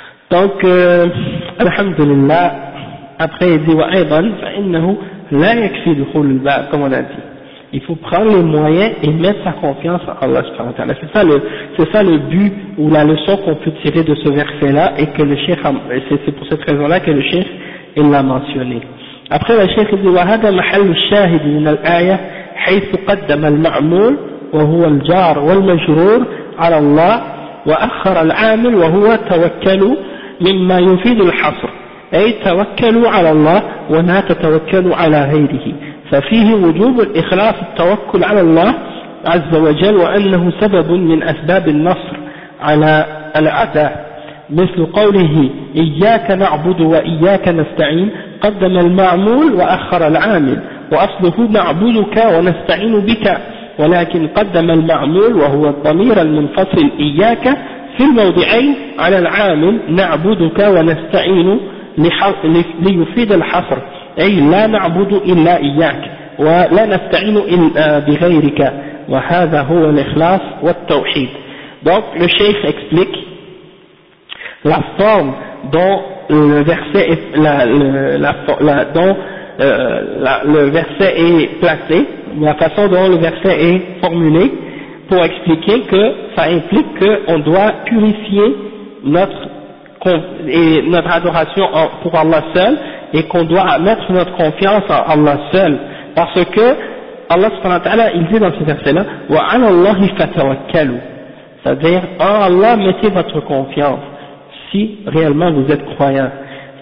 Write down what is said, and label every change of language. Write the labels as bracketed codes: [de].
[fr] Donc, alhamdulillah, après il dit [ar] wa aydan fa innahu la yakfi dukhul al-bab, [fr] comme on a dit. Il faut prendre les moyens et mettre sa confiance en Allah subhanahu wa ta'ala. C'est ça le but ou la leçon qu'on peut tirer de ce verset-là, et que le cheikh, c'est pour cette raison-là que le cheikh, il l'a mentionné. Après le cheikh dit, [ar] وَهَذَا مَحَلُّ الشَّاهِدِ مِنَ الْآيَةِ حَيْثُ قَدَّمَ الْمَعْمُولِ وَهُوَ الْجَارِ وَالْمَجْرُورِ عَلَى اللَّهِ وَأَخَّرَ الْعَامِلِ وَهُوَ تَوَكَّلُوا مِمَّا يُفِيدُ الْحَصْرِ أي تَوَكَّلُوا عَلَى اللَّهِ وَلَا تَتَوَكَّلُوا عَلَى غَيْرِهِ ففيه وجوب الإخلاص التوكل على الله عز وجل وأنه سبب من أسباب النصر على الأعداء مثل قوله إياك نعبد وإياك نستعين قدم المعمول وأخر العامل وأصله نعبدك ونستعين بك ولكن قدم المعمول وهو الضمير المنفصل إياك في الموضعين على العامل نعبدك ونستعين ليفيد الحصر أي لا نعبد إلا إياك ولا نستعين إلا بغيرك وهذا هو الإخلاص والتوحيد. [fr] Donc le cheikh explique la forme dont le verset est le verset est placé, la façon dont le verset est formulé pour expliquer que ça implique que on doit purifier notre adoration pour Allah seul, et qu'on doit mettre notre confiance en Allah seul, parce que Allah subhanahu wa ta'ala, il dit dans ce verset-là, « [ar] وَعَلَى اللَّهِ فَتَوَكَّلُوا [fr] » c'est-à-dire, « En Allah, mettez votre confiance, si réellement vous êtes croyant. »